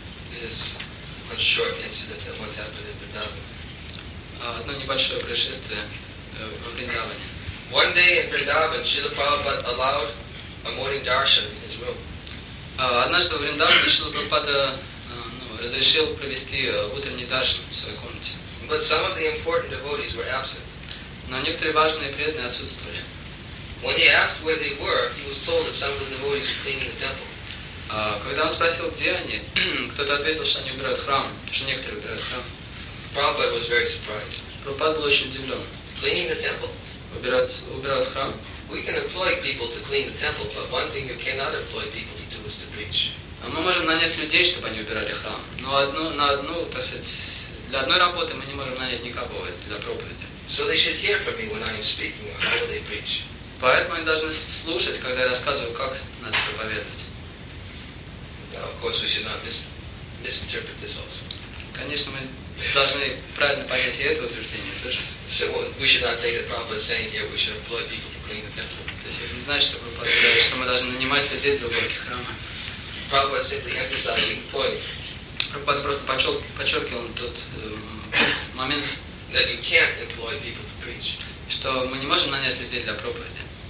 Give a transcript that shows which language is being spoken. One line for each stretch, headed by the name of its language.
English: this one short incident that once happened in Vrindavan.
Russian: Одно небольшое происшествие в Вриндаване.
English: One day in Vrindavan, Srila Prabhupada allowed a morning darshan in his room.
Russian: Однажды в Вриндаване Шрила Прабхупада разрешил провести утренний даршан в своей комнате.
English: But some of the important devotees were absent.
Russian: Но некоторые важные преданные отсутствовали.
English: When he asked where they were, he was told that some of the devotees were cleaning the temple.
Russian: Когда он спросил, где они, кто-то ответил, что они убирают храм, что некоторые убирают храм.
English: Prabhupada was very surprised.
Russian: Прабхупада был очень удивлен.
English: Cleaning the temple?
Russian: Убирают храм?
English: We can employ people to clean the temple, but one thing you cannot employ people to do is to preach.
Russian: Мы можем нанять людей, чтобы они убирали храм, но так сказать, для одной работы мы не можем нанять никого для проповеди.
English: So they should hear from me when I am speaking, how will they preach?
Russian: Поэтому они должны слушать, когда я рассказываю, как надо проповедовать.
English: Now, of course, we should not misinterpret this also.
Russian: Конечно, мы должны правильно понять и это утверждение тоже.
English: So we should not take the Prabhupada saying here, we should employ people to clean the temple.
Russian: То есть это не значит, что Прабхупада говорит, что мы должны нанимать людей для уборки храма.
English: Prabhupada simply emphasizing point.
Russian: Прабхупада просто подчеркивал тот момент,
English: that you can't employ people to preach.
Russian: Что мы не можем нанять людей для проповеди.